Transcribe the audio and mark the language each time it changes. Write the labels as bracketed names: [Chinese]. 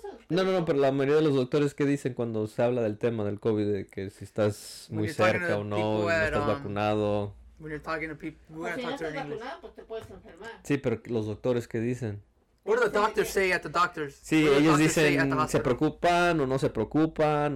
[Spanish] No, pero la mayoría de los doctores, ¿qué dicen cuando se habla del tema del COVID? De que si estás muy cerca o no, y no estás vacunado. [English] When you're talking to people, we're going to talk to her in English. [Spanish] Sí, pero los doctores, ¿qué dicen? [English] What do the doctors say at the doctors? [Spanish] Sí, ellos dicen, ¿se preocupan o no se preocupan?